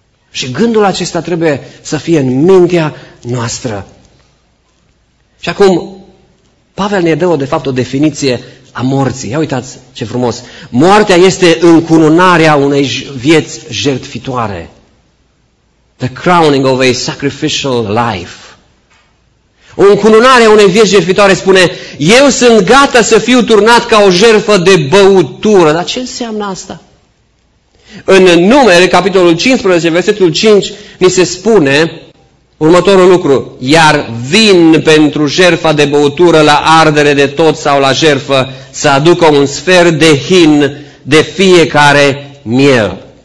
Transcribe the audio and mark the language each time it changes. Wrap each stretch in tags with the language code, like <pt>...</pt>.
<ro>Și gândul acesta trebuie să fie în mintea noastră. Și acum, Pavel ne dă de fapt o definiție a morții. Ia uitați ce frumos. Moartea este încununarea unei vieți jertfitoare.</ro> <en>The crowning of a sacrificial life.</en> <ro>O încununare a unei vieți jertfitoare spune, eu sunt gata să fiu turnat ca o jertfă de băutură. Dar ce înseamnă asta? În Numeri, capitolul 15, versetul 5, ni se spune următorul lucru, iar vin pentru jertfa de băutură la ardere de tot sau la jertfă să aducă un sfert de hin de fiecare miel.</ro>